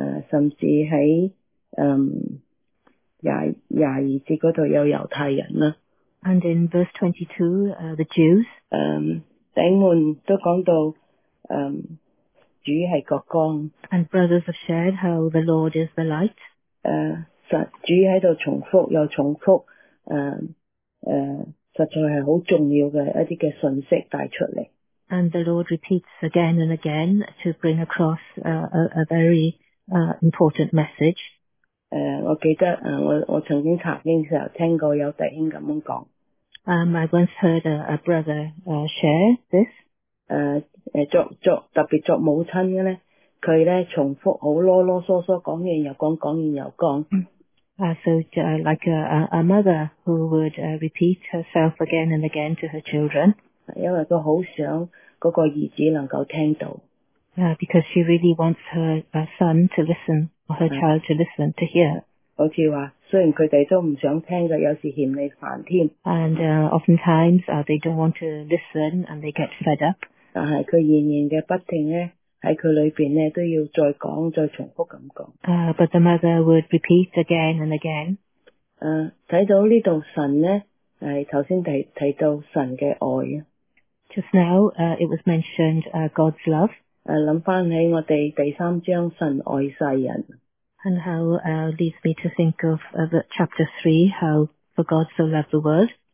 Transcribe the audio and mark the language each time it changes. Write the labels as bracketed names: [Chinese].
[Cantonese] 甚至喺廿二节嗰度有犹太人啦。 [English] And in verse 22, the Jews. [Cantonese] 弟兄们都讲到，主系国光。 [English] And brothers have shared how the Lord is the light. [Cantonese] 主喺度重复又重复，实在系好重要嘅一啲嘅信息带出嚟。 [English] And the Lord repeats again and again to bring across a very important message. [Cantonese] 我记得我曾经查经的时候听过有弟兄咁样讲。 [English] I once heard a brother share this. [Cantonese] 特别作母亲嘅咧，佢咧重复好啰啰嗦嗦讲完又讲，讲完又讲。 [English] So like a mother who would repeat herself again and again to her children. [Cantonese] 因为佢好想嗰个儿子能够听到。 [English] Because she really wants her son to listen. Or her child to listen, to hear. [Cantonese] 好似话，虽然佢哋都唔想听嘅，有时嫌你烦添。 [English] And oftentimes, they don't want to listen, and they get fed up. [Cantonese] 但系佢仍然嘅不停咧，喺佢里边咧都要再讲、再重复咁讲。 [English] But the mother would repeat again and again. [Cantonese] 睇到呢度神咧，系头先提到神嘅爱啊。 [English] Just now, it was mentioned God's love. [Cantonese] 谂翻起我哋第三章神爱世人 [English] ，and how leads me to think of chapter 3, how for God so loved the world。